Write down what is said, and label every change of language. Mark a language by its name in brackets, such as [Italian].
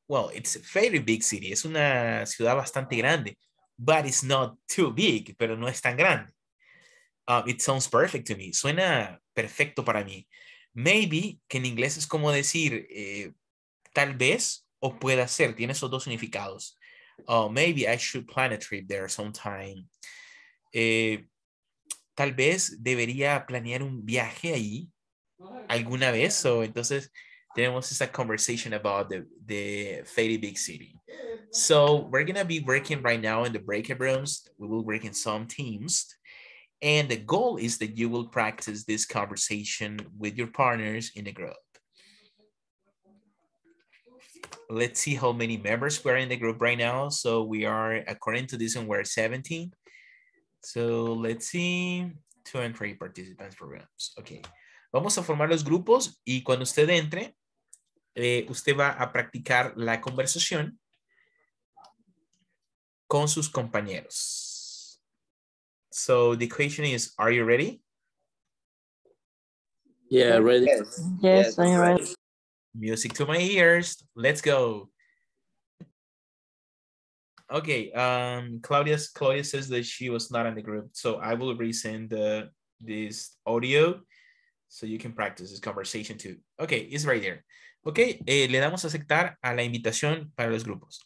[English] Well, it's a very big city. [Spanish] Es una ciudad bastante grande. [English] But it's not too big, [Spanish] pero no es tan grande. [English] It sounds perfect to me. [Spanish] Suena perfecto para mí. [English] Maybe, [Spanish] que en inglés es como decir tal vez o pueda ser. Tiene esos dos significados. [English] Maybe I should plan a trip there sometime. [Spanish] Tal vez debería planear un viaje ahí alguna vez. [English] So, [Spanish] entonces tenemos esa [English] conversation about the very big city. So we're going to be working right now in the breakout rooms. We will work in some teams. And the goal is that you will practice this conversation with your partners in the group. Let's see how many members were in the group right now. So we are, according to this one, we're 17. So let's see, 2 and 3 participants programs. Okay. [Spanish] Vamos a formar los grupos y cuando usted entre, usted va a practicar la conversación con sus compañeros. [English] So the question is, are you ready? Yeah, ready. Yes, I'm ready. Music to my ears. Let's go. Okay, Claudia says that she was not in the group. So I will resend this audio so you can practice this conversation too. Okay, it's right there. [Spanish] Okay, le damos a aceptar a la invitación para los grupos.